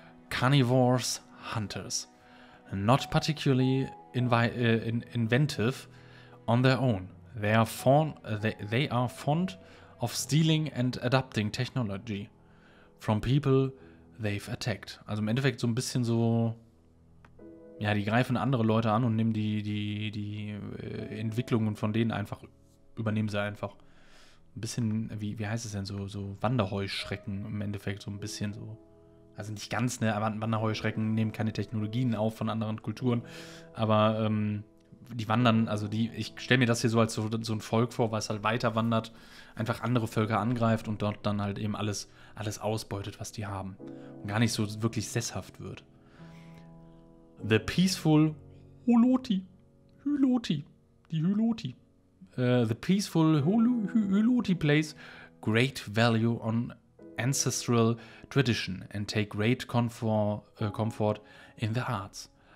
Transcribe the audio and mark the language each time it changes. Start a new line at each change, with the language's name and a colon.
English: Carnivores, hunters. Not particularly inventive on their own. They are fond of stealing and adapting technology from people they've attacked.
German: Also im Endeffekt so ein bisschen so, ja, die greifen andere Leute an und nehmen die Entwicklungen von denen einfach, übernehmen sie einfach. Ein bisschen, wie heißt es denn, so Wanderheuschrecken im Endeffekt, so ein bisschen so. Also nicht ganz, ne, Wanderheuschrecken nehmen keine Technologien auf von anderen Kulturen, aber die wandern, also die, ich stelle mir das hier so als so ein Volk vor, was halt weiter wandert, einfach andere Völker angreift und dort dann halt eben alles ausbeutet, was die haben. Und gar nicht so wirklich sesshaft wird.
English: The peaceful Hyloti plays great value on ancestral tradition and take great comfort in the arts.